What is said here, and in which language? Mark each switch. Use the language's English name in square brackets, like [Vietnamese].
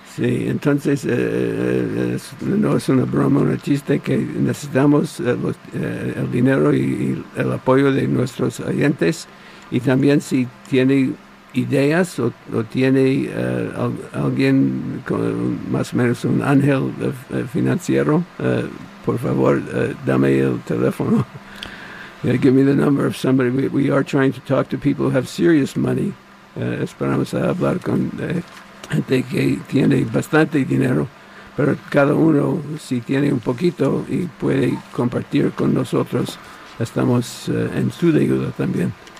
[Spanish] Sí, entonces no es una broma, un chiste, que necesitamos el dinero y el apoyo de nuestros oyentes. Y también, si tiene ideas o tiene alguien con más o menos un ángel financiero, por favor, dame el teléfono. [English] Yeah, give me the number of somebody. We are trying to talk to people who have serious money. [Spanish] Esperamos a hablar con gente que tiene bastante dinero, pero cada uno, si tiene un poquito y puede compartir con nosotros, estamos en su ayuda también.